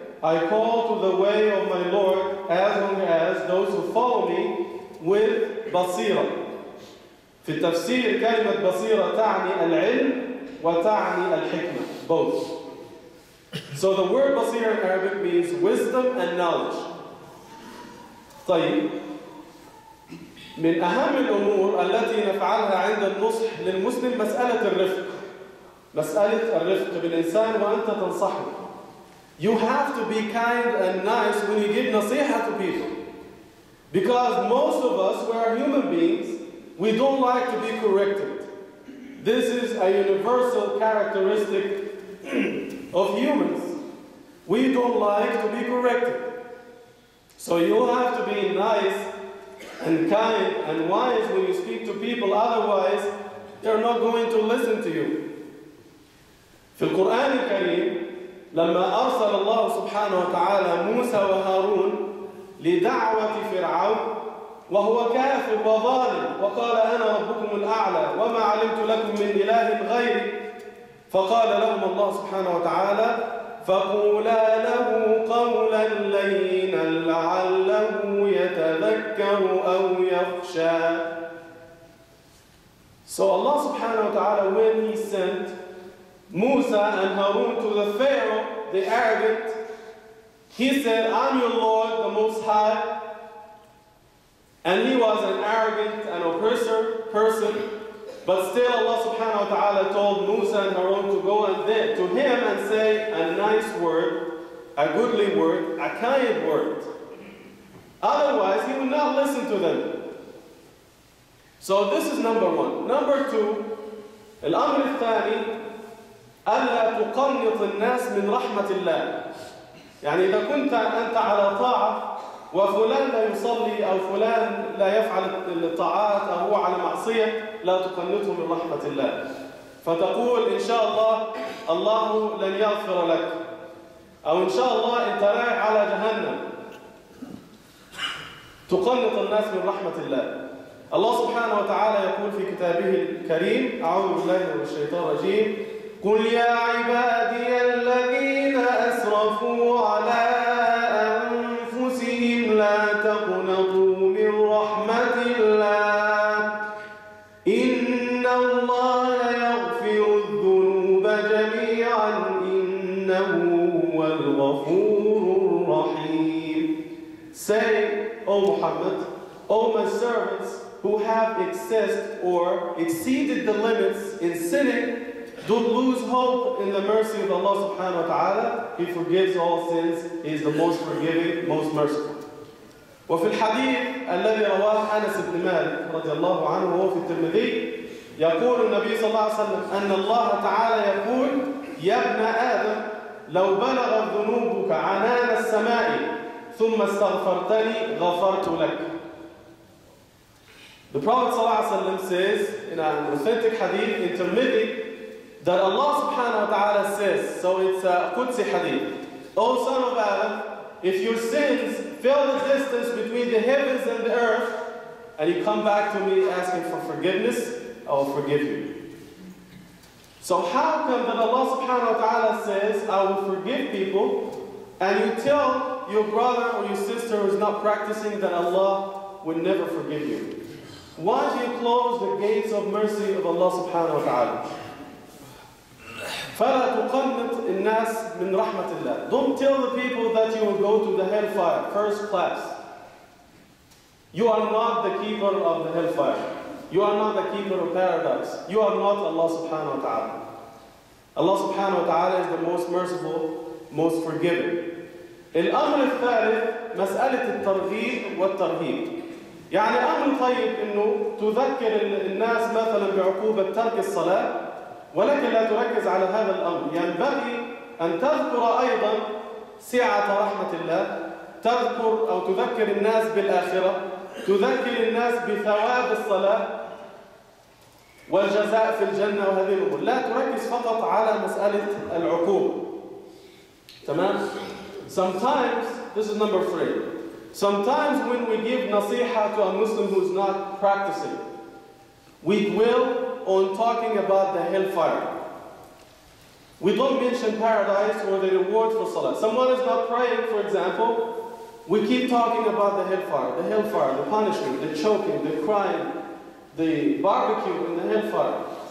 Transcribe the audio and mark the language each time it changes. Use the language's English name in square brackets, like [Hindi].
[English] I call to the way of my Lord as long as those who follow me with basira. [Arabic] في التفسير كلمة بصيرة تعني العلم وتعني الحكمة. [English] Both. So the word basira in Arabic means wisdom and knowledge. [Arabic] طيب. من أهم الأمور التي نفعلها عند النصح للمسلم مسألة الرفق. مسألة الرفق بالإنسان وأنت تنصحه. [English] You have to be kind and nice when you give نصيحة to people. Because most of us, we are human beings, we don't like to be corrected. This is a universal characteristic of humans. We don't like to be corrected. So you have to be nice and kind and wise when you speak to people, otherwise they're not going to listen to you. [Arabic] في القرآن الكريم لما أرسل الله سبحانه وتعالى موسى وهارون لدعوة فرعون وهو كافر وظالم وقال أنا ربكم الأعلى وما علمت لكم من إله غيري، فقال لهم الله سبحانه وتعالى فقولا له قولا لينا لعله يتذكر أو يخشى. [English] So Allah [Arabic] سبحانه وتعالى [English] when he sent موسى and هارون to the Pharaoh, the Arabic, he said, I'm your Lord, the Most High. And he was an arrogant and oppressor person. But still Allah subhanahu wa ta'ala told Musa and Harun to go and to him and say a nice word, a goodly word, a kind word. Otherwise, he would not listen to them. So this is number one. Number two, [Arabic] الأمر الثاني, ألا تقنط الناس من رحمة الله. يعني إذا كنت أنت على طاعة وفلان لا يصلي أو فلان لا يفعل الطاعات أو هو على معصية، لا تقنطه من رحمة الله، فتقول إن شاء الله الله لن يغفر لك، أو إن شاء الله أنت رايح على جهنم. تقنط الناس من رحمة الله. الله سبحانه وتعالى يقول في كتابه الكريم، أعوذ بالله من الشيطان الرجيم، قل يا عبادي الذين أسرفوا على أنفسهم لا تقنطوا من رحمة الله إن الله يغفر الذنوب جميعا إنه هو الغفور الرحيم. [English] Say, O Muhammad, O my servants who have excessed or exceeded the limits in sinning, don't lose hope in the mercy of Allah subhanahu wa ta'ala. He forgives all sins. He is the most forgiving, most merciful. [Arabic] وفي الحديث الذي رواه أنس بن مالك رضي الله عنه وهو في الترمذي يقول النبي صلى الله عليه وسلم أن الله تعالى يقول يا ابن آدم لو بلغ ذنوبك عنان السماء ثم استغفرتني غفرت لك. [English] The Prophet [Arabic] صلى الله عليه وسلم [English] says in an authentic hadith in Tirmidhi that Allah subhanahu wa ta'ala says, so it's a Qudsi hadith, O son of Adam, if your sins fill the distance between the heavens and the earth, and you come back to me asking for forgiveness, I will forgive you. So how come that Allah subhanahu wa ta'ala says, I will forgive people, and you tell your brother or your sister who is not practicing that Allah will never forgive you? Why do you close the gates of mercy of Allah subhanahu wa ta'ala? [Arabic] فَلَا تُقَنِّطْ النَّاسِ مِنْ رَحْمَةِ اللَّهِ. [English] Don't tell the people that you will go to the hellfire, first class. You are not the keeper of the hellfire. You are not the keeper of paradise. You are not Allah subhanahu wa ta'ala. Allah subhanahu wa ta'ala is the most merciful, most forgiving. [Arabic] الأمر الثالث مسألة الترغيب والترهيب. يعني أمر طيب أنه تذكر الناس مثلا بعقوبة ترك الصلاة ولكن لا تركز على هذا الأمر. ينبغي أن تذكر أيضا سعة رحمة الله، تذكر أو تذكر الناس بالآخرة، تذكر الناس بثواب الصلاة والجزاء في الجنة وهذه الأمور، لا تركز فقط على مسألة العقوبة. تمام؟ [English] Sometimes, this is number three. Sometimes when we give nasiha to a Muslim who is not practicing, we dwell on talking about the hellfire. We don't mention paradise or the reward for salah. Someone is not praying, for example, we keep talking about the hellfire, the punishment, the choking, the crying, the barbecue in the hellfire.